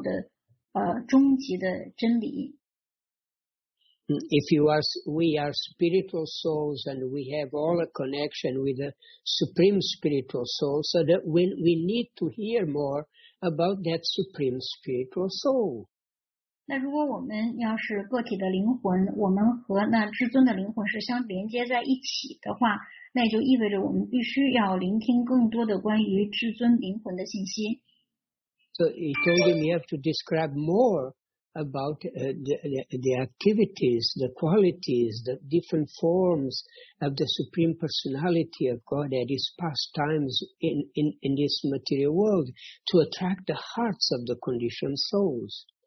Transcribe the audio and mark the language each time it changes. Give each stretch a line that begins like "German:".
Chinese: 那所以呢，他就向他解释说呢，你之所以现在在内心中没有感到全然的心满意足的原因呢，是由于你没有足够的充足的去注写荣耀至尊人格首神的这个信息。那么这个至尊人格首神呢，其实是最重要的终极的真理。
English: If you ask, we are spiritual souls and we have all a connection with the Supreme Spiritual Soul, so that we need to hear more about that Supreme Spiritual Soul.
Chinese: 那如果我们要是个体的灵魂，我们和那至尊的灵魂是相连接在一起的话，那也就意味着我们必须要聆听更多的关于至尊灵魂的信息。
English: So he told him you have to describe more about the activities, the qualities, the different forms of the Supreme Personality of God at his pastimes in this material world to attract the hearts of the conditioned souls.